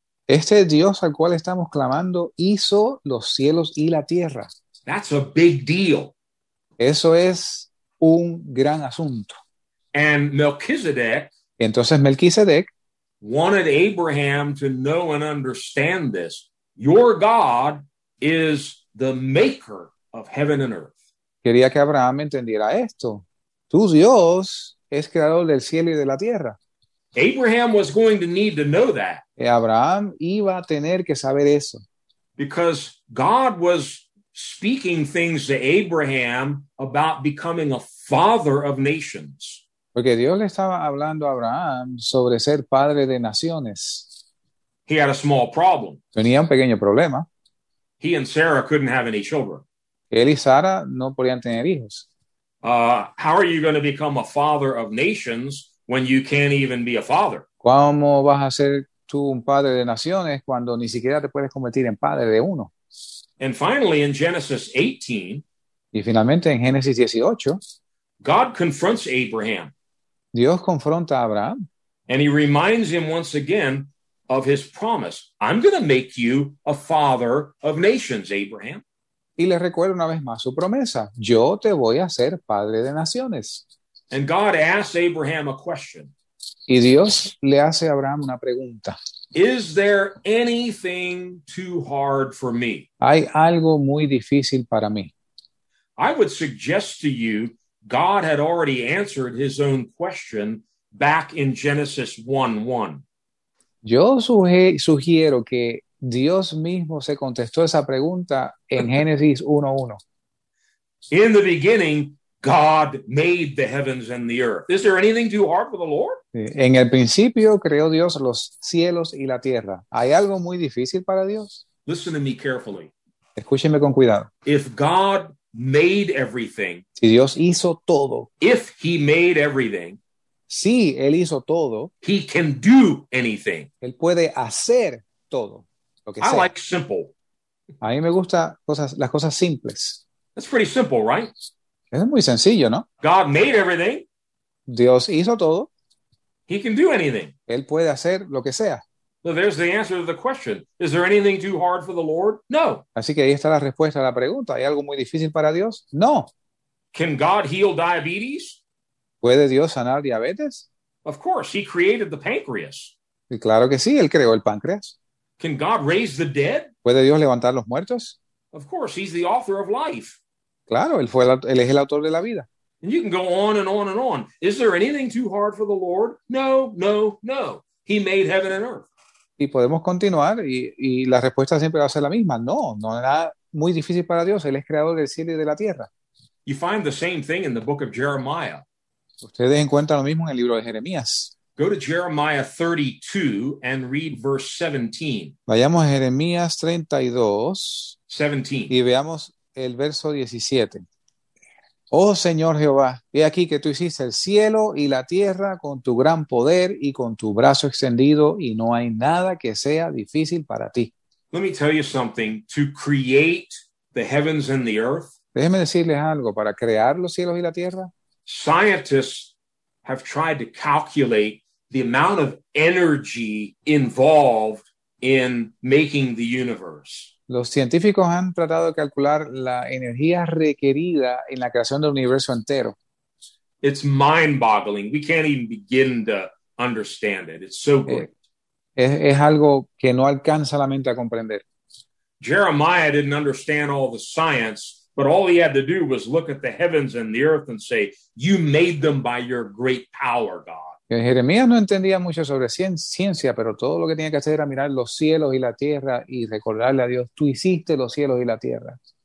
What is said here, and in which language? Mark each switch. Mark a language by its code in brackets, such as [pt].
[es] Este Dios al cual estamos clamando hizo los cielos y la tierra. [en] That's a big deal. [es] Eso es un gran asunto. [en] And Melchizedek, [es] entonces Melquisedec, [en] wanted Abraham to know and understand this. Your God is the maker of heaven and earth. [es] Quería que Abraham entendiera esto. Tu Dios es creador del cielo y de la tierra. [en] Abraham was going to need to know that. [es] Abraham iba a tener que saber eso. [en] Because God was speaking things to Abraham about becoming a father of nations. [es] Porque Dios le estaba hablando a Abraham sobre ser padre de naciones. [en] He had a small problem. [es] Tenía un pequeño problema. [en] He and Sarah couldn't have any children. [es] Él y Sara no podían tener hijos. [en] How are you going to become a father of nations when you can't even be a father? [es] ¿Cómo vas a ser tú un padre de naciones cuando ni siquiera te puedes convertir en padre de uno? [en] And finally in Genesis 18. [es] Y finalmente en Génesis 18. [en] God confronts Abraham. [es] Dios confronta a Abraham. [en] And he reminds him once again of his promise. I'm going to make you a father of nations, Abraham. [es] Y le recuerda una vez más su promesa. Yo te voy a ser padre de naciones. [en] And God asks Abraham a question. [es] Y Dios le hace a Abraham una pregunta. [en] Is there anything too hard for me? [es] ¿Hay algo muy difícil para mí? [en] I would suggest to you God had already answered his own question back in Genesis 1:1. [es] Yo sugiero que Dios mismo se contestó esa pregunta en Génesis 1:1. [en] In the beginning, God made the heavens and the earth. Is there anything too hard for the Lord? [es] En el principio creó Dios los cielos y la tierra. ¿Hay algo muy difícil para Dios? [en] Listen to me carefully. [es] Escúcheme con cuidado. [en] If God made everything, [es] si Dios hizo todo, [en] if he made everything, [es] si él hizo todo, [en] he can do anything. [es] Él puede hacer todo. Lo que [en] I [es] sea. [en] Like simple. [es] A mí me gusta cosas, las cosas simples. [en] That's pretty simple, right? [es] Es muy sencillo, ¿no? [en] God made everything. [es] Dios hizo todo. [en] He can do anything. [es] Él puede hacer lo que sea. [en] Well, there's the answer to the question. Is there anything too hard for the Lord? No. [es] Así que ahí está la respuesta a la pregunta. ¿Hay algo muy difícil para Dios? No. [en] Can God heal diabetes? [es] ¿Puede Dios sanar diabetes? [en] Of course, he created the pancreas. [es] Y claro que sí, él creó el páncreas. [en] Can God raise the dead? [es] ¿Puede Dios levantar los muertos? [en] Of course, he's the author of life. [es] Claro, él es el autor de la vida. [en] And you can go on and on and on. Is there anything too hard for the Lord? No, no, no. He made heaven and earth. [es] Y podemos continuar y la respuesta siempre va a ser la misma. No, no es nada muy difícil para Dios. Él es creador del cielo y de la tierra. [en] You find the same thing in the book of Jeremiah. [es] Ustedes encuentran lo mismo en el libro de Jeremías. [en] Go to Jeremiah 32 and read verse 17. [es] Vayamos a Jeremías 32. [en] 17. [es] Y veamos el verso 17. Oh Señor Jehová, he aquí que tú hiciste el cielo y la tierra con tu gran poder y con tu brazo extendido, y no hay nada que sea difícil para ti. [en] Let me tell you something. To create the heavens and the earth. [es] Déjeme decirles algo. Para crear los cielos y la tierra. [en] Scientists have tried to calculate the amount of energy involved in making the universe. [es] Los científicos han tratado de calcular la energía requerida en la creación del universo entero. [en] It's mind-boggling. We can't even begin to understand it. It's so great. [es] Es algo que no alcanza la mente a comprender. [en] Jeremiah didn't understand all the science, but all he had to do was look at the heavens and the earth and say, you made them by your great power, God. [es] Jeremías no entendía mucho sobre ciencia, pero todo lo que tenía que hacer era mirar los cielos y la tierra y recordarle a Dios, tú hiciste los cielos y la tierra.